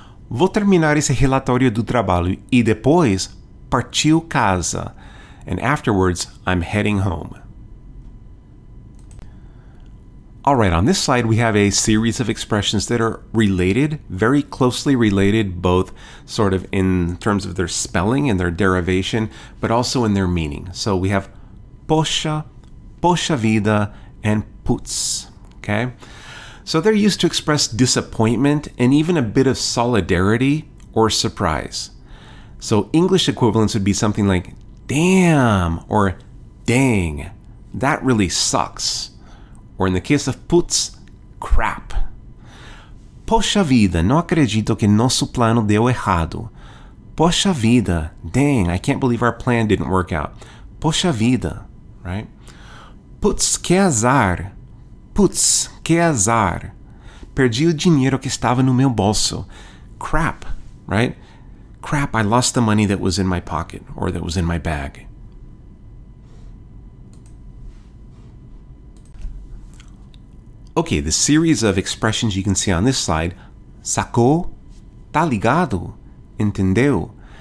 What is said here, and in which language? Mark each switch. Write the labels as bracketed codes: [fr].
[pt] Vou terminar esse relatório do trabalho e depois partiu casa. [en] And afterwards, I'm heading home. All right, on this slide, we have a series of expressions that are related, very closely related, both sort of in terms of their spelling and their derivation, but also in their meaning. So we have poxa, poxa vida, and putz, okay? So they're used to express disappointment and even a bit of solidarity or surprise. So English equivalents would be something like damn or dang, that really sucks. Or in the case of putz, crap. [pt] Poxa vida, não acredito que nosso plano deu errado. [en] Poxa vida, dang, I can't believe our plan didn't work out. [pt] Poxa vida, [en] right? [pt] Putz, que azar. Putz, que azar. Perdi o dinheiro que estava no meu bolso. [en] Crap, right? Crap, I lost the money that was in my pocket or that was in my bag. Okay, the series of expressions you can see on this slide, sacou, tá ligado, entendeu?